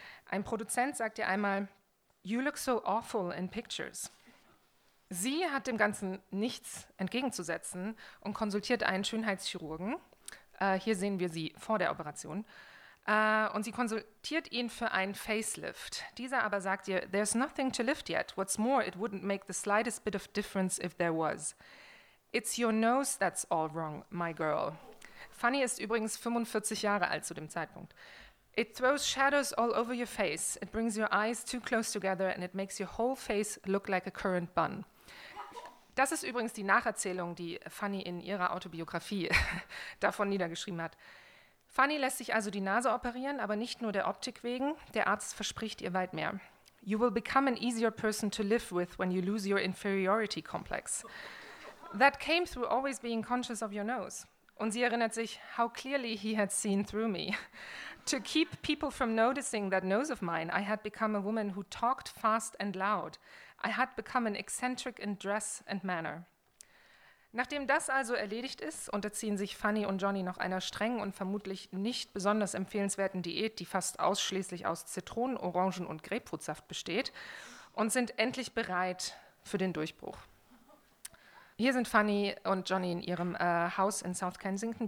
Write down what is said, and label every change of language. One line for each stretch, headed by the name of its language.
German: Ein Produzent sagt ihr einmal,
English: "You look so awful in pictures."
German: Sie hat dem Ganzen nichts entgegenzusetzen und konsultiert einen Schönheitschirurgen. Hier sehen wir sie vor der Operation. Und sie konsultiert ihn für einen Facelift. Dieser aber sagt ihr,
English: "There's nothing to lift yet. What's more, it wouldn't make the slightest bit of difference if there was. It's your nose that's all wrong, my girl."
German: Fanny ist übrigens 45 Jahre alt zu dem Zeitpunkt.
English: "It throws shadows all over your face. It brings your eyes too close together and it makes your whole face look like a currant bun."
German: Das ist übrigens die Nacherzählung, die Fanny in ihrer Autobiografie davon niedergeschrieben hat. Fanny lässt sich also die Nase operieren, aber nicht nur der Optik wegen. Der Arzt verspricht ihr weit mehr.
English: You will become an easier person to live with when you lose your inferiority complex. That came through always being conscious of your nose.
German: Und sie erinnert sich,
English: how clearly he had seen through me. To keep people from noticing that nose of mine, I had become a woman who talked fast and loud. I had become an eccentric in dress and manner.
German: Nachdem das also erledigt ist, unterziehen sich Fanny und Johnny noch einer strengen und vermutlich nicht besonders empfehlenswerten Diät, die fast ausschließlich aus Zitronen, Orangen und Grapefruitsaft besteht, und sind endlich bereit für den Durchbruch. Hier sind Fanny und Johnny in ihrem Haus in South Kensington.